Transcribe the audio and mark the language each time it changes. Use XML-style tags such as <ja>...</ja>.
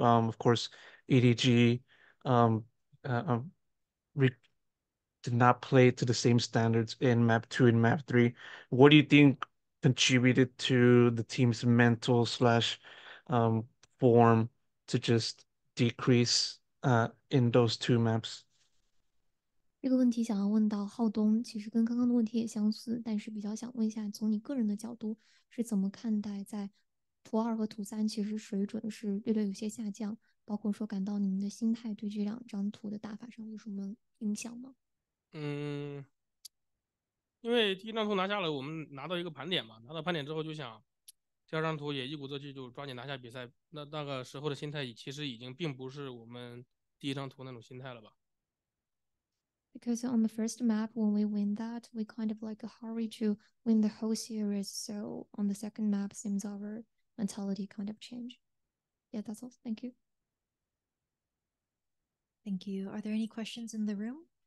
<en>Of course, EDG did not play to the same standards in map two and map three. What do you think contributed to the team's mental slash form to just decrease in those two maps?</en> <zh>这个问题想要问到浩东，其实跟刚刚的问题也相似，但是比较想问一下，从你个人的角度是怎么看待在图二和图三，其实水准是略略有些下降，包括说感到你们的心态对这两张图的打法上有什么影响吗？因为第一张图拿下了，我们拿到一个盘点嘛，拿到盘点之后就想，第二张图也一鼓作气就抓紧拿下比赛。那个时候的心态其实已经并不是我们第一张图那种心态了吧。</zh> <en>Because on the first map, when we win that, we kind of like a hurry to win the whole series. So on the second map, seems our mentality kind of change. Yeah, that's all. Thank you. Thank you. Are there any questions in the room?</en>